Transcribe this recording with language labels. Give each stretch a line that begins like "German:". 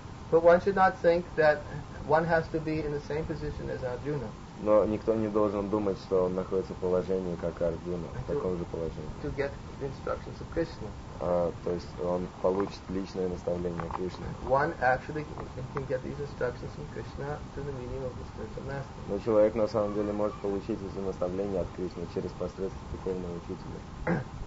English: But one should not think that one has to be in the same position as Arjuna.
Russian: Но никто не должен думать, что он находится в положении, как Арджуна, в таком же положении.
English: To get the instructions of Krishna.
Russian: То есть он получит личное наставление Кришны.
English: One actually can get these instructions from Krishna through the medium of the spiritual master.
Russian: Но человек на самом деле может получить эти наставления от Кришны через посредство духовного учителя.